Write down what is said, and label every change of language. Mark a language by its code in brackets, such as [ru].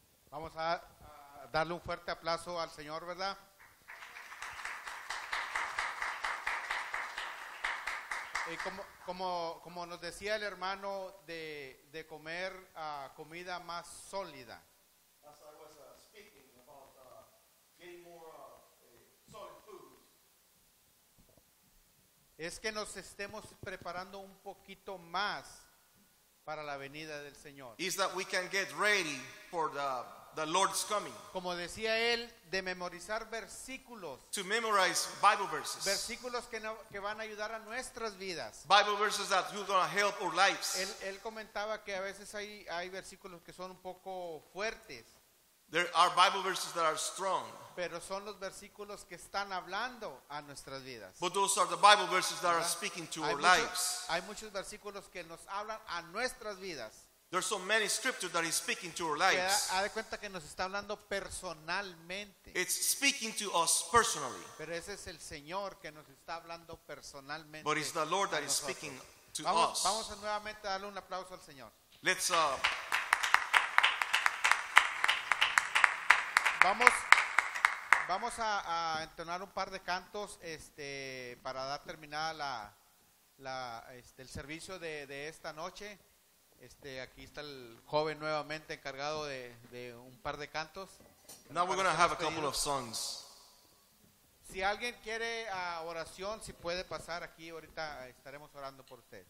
[es] Vamos a darle un fuerte aplauso al Señor, ¿verdad? Y como nos decía el hermano, de comer comida más sólida. [en] As I was speaking about getting more solid foods. [es] Es que nos estemos preparando un poquito más para la venida del Señor. [en] Is that we can get ready for the Lord's coming. [es] Como decía él, de memorizar versículos. [en] To memorize Bible verses. [es] Versículos que van a ayudar a nuestras vidas. [en] Bible verses that will gonna help our lives. [es] Él comentaba que a veces hay versículos que son un poco fuertes. [en] There are Bible verses that are strong. [es] Pero son los versículos que están hablando a nuestras vidas. [en] But those are the Bible verses that are speaking to our lives. [es] Hay muchos versículos que nos hablan a nuestras vidas. [en] There's so many scriptures that is speaking to our lives. [es] Ha de cuenta que nos está hablando personalmente. [en] It's speaking to us personally. [es] Pero ese es el Señor que nos está hablando personalmente. [en] But it's the Lord that is speaking to [es] vamos, [en] us. [es] Vamos a nuevamente darle un aplauso al Señor. [en] Let's [es] vamos a entonar un par de cantos para dar terminada el servicio de esta noche. Aquí está el joven nuevamente encargado de un par de cantos. [en] Now we're going to have a couple of songs. [es] Si alguien quiere oración, si puede pasar aquí ahorita, estaremos orando por usted.